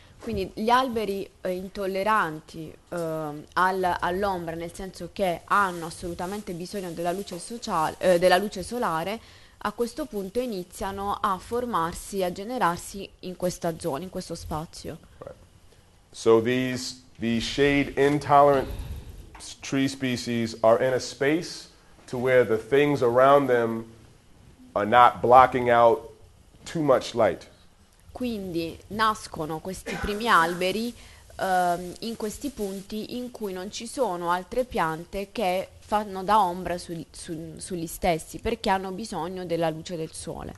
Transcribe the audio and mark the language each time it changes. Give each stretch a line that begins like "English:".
Italian: Quindi gli alberi intolleranti all'ombra, nel senso che hanno assolutamente bisogno della luce sociale, della luce solare, a questo punto iniziano a formarsi, a generarsi in questa zona, in questo spazio.
English: Right. So these shade intolerant tree species are in a space to where the things around them are not blocking out too much light.
Italian: Quindi nascono questi primi alberi in questi punti in cui non ci sono altre piante che fanno da ombra sugli stessi, perché hanno bisogno della luce del sole.